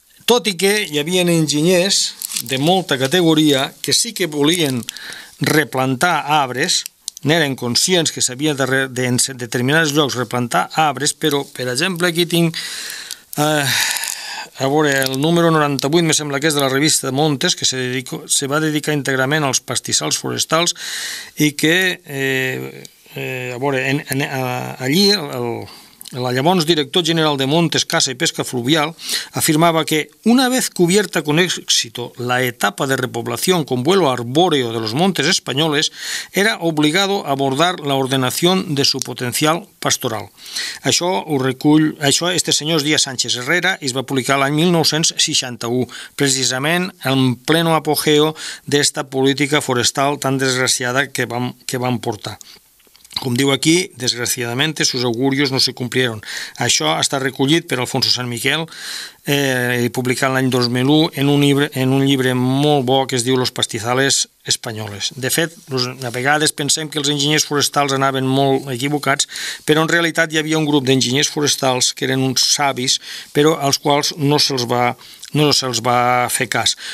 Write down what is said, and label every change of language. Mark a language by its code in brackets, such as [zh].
[ca] Tot i que hi havia enginyers de molta categoria que sí que volien replantar arbres, n'eren conscients que s'havia de en determinats llocs replantar arbres, però, per exemple, aquí tinc A veure, el número 98, me sembla que és de la revista Montes, que se va dedicar íntegrament als pastissals forestals i que, a veure, allí el llavors director general de Montes, Caça i Pesca Fluvial afirmava que [es] una vez cubierta con éxito la etapa de repoblación con vuelo arbóreo de los montes españoles, era obligado a abordar la ordenación de su potencial pastoral. [ca] Això ho recull, això este senyor Díaz Sánchez Herrera i es va publicar l'any 1961, precisament [es] en pleno apogeo [ca] d'esta política forestal tan desgraciada que vam portar. Com diu aquí, [es] desgraciadamente sus augurios no se cumplieron. [ca] Això està recollit per Alfonso San Miquel i publicat l'any 2001 en un llibre molt bo que es diu Los pastizales españoles. De fet, a vegades pensem que els enginyers forestals anaven molt equivocats, però en realitat hi havia un grup d'enginyers forestals que eren uns savis, però als quals no se'ls va fer cas.